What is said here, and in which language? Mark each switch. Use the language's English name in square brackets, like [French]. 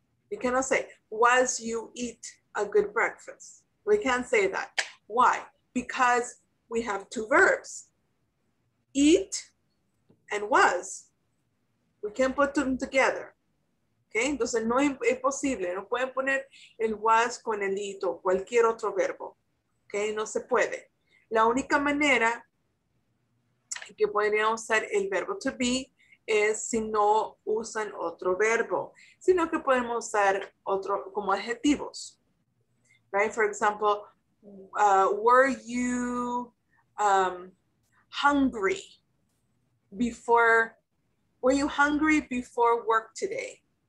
[English] You cannot say, was you eat a good breakfast? We can't say that. Why? Because we have two verbs, eat and was. We can't put them together. Okay, [Spanish] entonces no es posible. No pueden poner el was con el eat o cualquier otro verbo. Okay, no se puede. La única manera que podrían usar el verbo to be es si no usan otro verbo, sino que podemos usar otro como adjetivos. [English] Right? For example, were you hungry before work today?